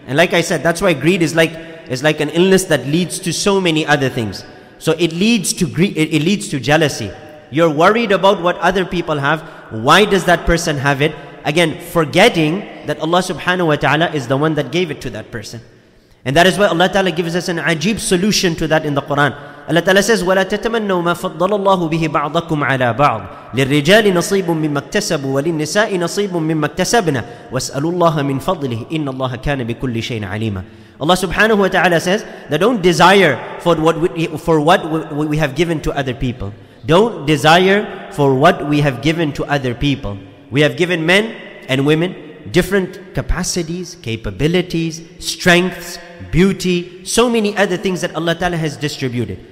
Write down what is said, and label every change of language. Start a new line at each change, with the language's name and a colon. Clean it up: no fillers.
English: And like I said, that's why greed is like an illness that leads to so many other things. So it leads to greed, it leads to jealousy. You're worried about what other people have. Why does that person have it? Again, forgetting that Allah subhanahu wa ta'ala is the one that gave it to that person. And that is why Allah ta'ala gives us an ajeeb solution to that in the Quran. Allah ta'ala says,
Arabic: وَلَا تَتَمَنَّوا مَا فَضَّلَ اللَّهُ بِهِ بَعْضَكُمْ عَلَىٰ بَعْضٍ لِلرِّجَالِ نَصِيبٌ مِمَّا اكْتَسَبُوا وَلِلنِّسَاءِ نَصِيبٌ مِمَّا اكْتَسَبْنَ وَاسْأَلُوا اللَّهَ مِنْ فَضْلِهِ إِنَّ اللَّهَ كَانَ بِكُلِّ شَيْءٍ عَلِيمًا.
English: Allah subhanahu wa ta'ala says that don't desire for what we have given to other people. Don't desire for what we have given to other people. We have given men and women different capacities, capabilities, strengths, beauty, so many other things that Allah ta'ala has distributed.